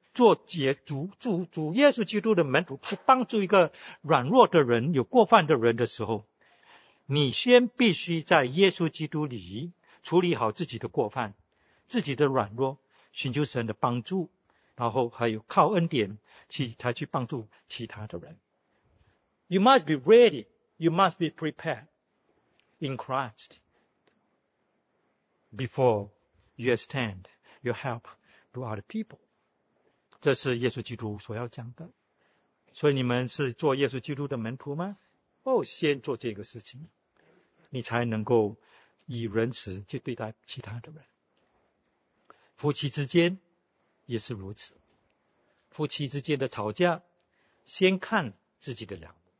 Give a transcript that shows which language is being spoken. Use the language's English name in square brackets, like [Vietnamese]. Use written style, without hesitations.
[Chinese] 做主耶稣基督的门徒，去帮助一个软弱的人，有过犯的人的时候，你先必须在耶稣基督里处理好自己的过犯，自己的软弱，寻求神的帮助，然后还有靠恩典去才去帮助其他的人。 [English] You must be ready, you must be prepared in Christ before you extend your help to other people. [Chinese] 这是耶稣基督所要讲的。所以你们是做耶稣基督的门徒吗？哦，先做这个事情，你才能够以仁慈去对待其他的人。夫妻之间也是如此，夫妻之间的吵架先看自己的良。